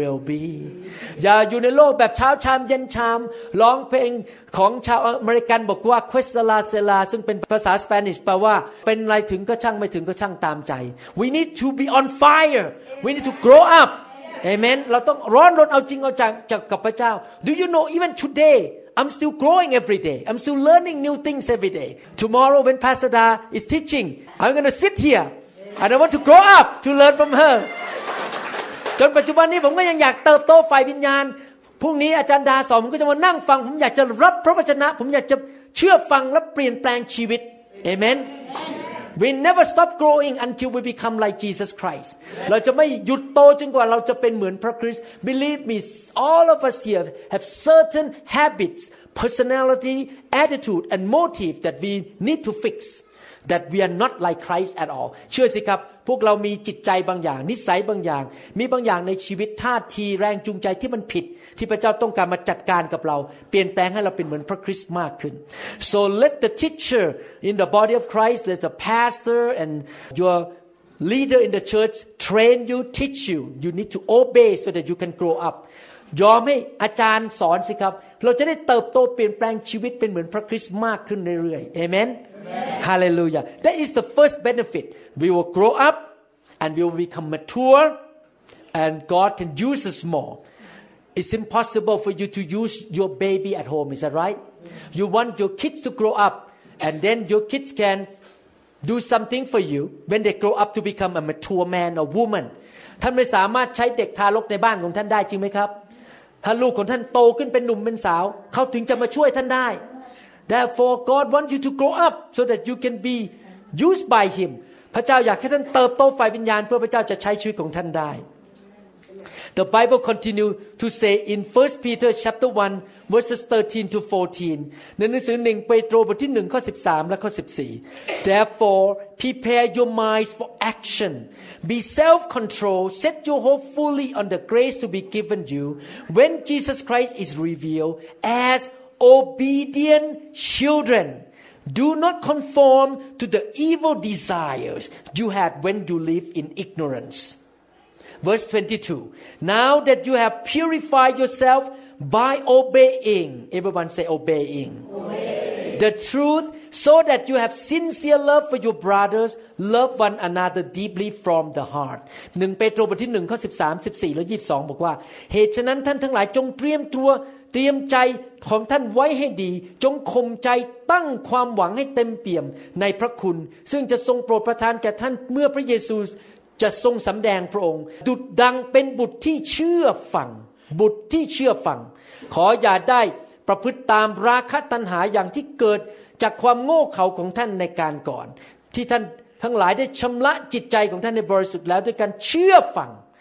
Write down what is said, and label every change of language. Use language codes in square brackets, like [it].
[th] be อย่าอยู่ในโลกแบบเช้าชามเย็นชามร้องเพลงของชาวอเมริกันบอกว่า Quesala Sela ซึ่งเป็นภาษาสเปนิชแปลว่าเป็นอะไรถึงก็ช่างไม่ถึงก็ช่างตามใจ [en] We need to be on fire We need to grow up Amen [th] เราต้องร้อนรนเอาจริงเอาจังจากกับพระเจ้า [en] Do you know even todayI'm still growing every day. I'm still learning new things every day. Tomorrow when Pastor Da is teaching, I'm going to sit here. And I want to grow up to learn from her. [th] จนปัจจุบันนี้ผมก็ยังอยากเติบโตฝ่ายวิญญาณพรุ่งนี้อาจารย์ดาสอนผมก็จะมานั่งฟังผมอยากจะรับพระวจนะผมอยากจะเชื่อฟังและเปลี่ยนแปลงชีวิต Amen. [en] We never stop growing until we become like Jesus Christ. [th] เราจะไม่หยุดโตจนกว่าเราจะเป็นเหมือนพระคริสต์ [en] Believe me, all of us here have certain habits, personality, attitude, and motive that we need to fix. That we are not like Christ at all. [th] เชื่อสิครับพวกเรามีจิตใจบางอย่างนิสัยบางอย่างมีบางอย่างในชีวิตท่าทีแรงจูงใจที่มันผิดที่พระเจ้าต้องการมาจัดการกับเราเปลี่ยนแปลงให้เราเป็นเหมือนพระคริสต์มากขึ้น [en] So let the teacher in the body of Christ, let the pastor and your leader in the church train you, teach you. You need to obey so that you can grow up. [th] ยอมให้อาจารย์สอนสิครับเราจะได้เติบโตเปลี่ยนแปลงชีวิตเป็นเหมือนพระคริสต์มากขึ้นเรื่อยๆ Amen. [en] Hallelujah. That is the first benefit. We will grow up and we will become mature and God can use us more. It's impossible for you to use your baby at home. Is that right? You want your kids to grow up and then your kids can do something for you when they grow up to become a mature man or woman. [th] ท่านไม่สามารถใช้เด็กทารกในบ้านของท่านได้จริงไหมครับถ้าลูกของท่านโตขึ้นเป็นหนุ่มเป็นสาวเขาถึงจะมาช่วยท่านได้ [en] Therefore, God wants you to grow up so that you can be used by Him. [th] พระเจ้าอยากให้ท่านเติบโตฝ่ายวิญญาณเพื่อพระเจ้าจะใช้ชีวิตของท่านได้ [en] The Bible continue to say in 1 Peter chapter 1 verses 13 to 14. [th] ในหนังสือ1 เปโตรบทที่1ข้อ13และข้อ14 [en] Therefore, prepare your minds for action. Be self-controlled. Set your hope fully on the grace to be given you when Jesus Christ is revealed asObedient children, do not conform to the evil desires you had when you lived in ignorance. Verse 22. Now that you have purified yourself by obeying, everyone say obeying. Obeying. The truth, so that you have sincere love for your brothers, love one another deeply from the heart. [th] 1 Peter 1 ข้อ 13, 14และ 22 บอกว่า เหตุฉะนั้นท่านทั้งหลายจงเตรียมตัวเตรียมใจของท่านไว้ให้ดีจงข่มใจตั้งความหวังให้เต็มเปี่ยมในพระคุณซึ่งจะทรงโปรดประทานแก่ท่านเมื่อพระเยซู จะทรงสำแดงพระองค์ดุจดังเป็นบุตรที่เชื่อฟังบุตรที่เชื่อฟังขออย่าได้ประพฤติตามราคะตัณหาอย่างที่เกิดจากความโง่เขลาของท่านในการก่อนที่ท่านทั้งหลายได้ชำระจิตใจของท่านให้บริสุทธิ์แล้วด้วยการเชื่อฟัง